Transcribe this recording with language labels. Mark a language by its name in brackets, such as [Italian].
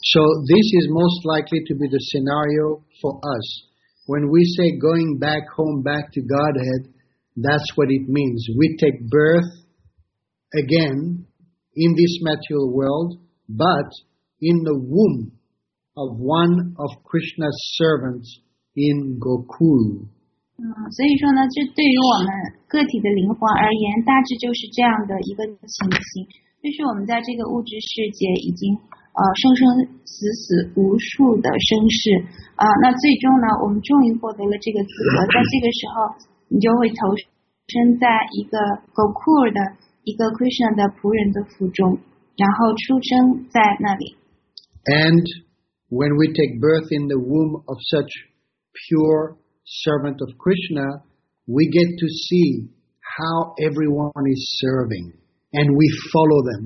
[English] So this is most likely to be the scenario for us when we say going back home, back to Godhead. That's what it means. We take birth. Again, in this material world, but in the womb of one of Krishna's servants in Gokul. [Chinese] 所以说呢，这对于我们个体的灵魂而言，大致就是这样的一个情形，就是我们在这个物质世界已经生生死死无数的生世那最终呢，我们终于获得了这个资格，在这个时候，你就会投身在一个 Gokul 的。一个 Krishna 的仆人的腹中，然后出生在那里。 [English] And when we take birth in the womb of such pure servant of Krishna, we get to see how everyone is serving, and we follow them.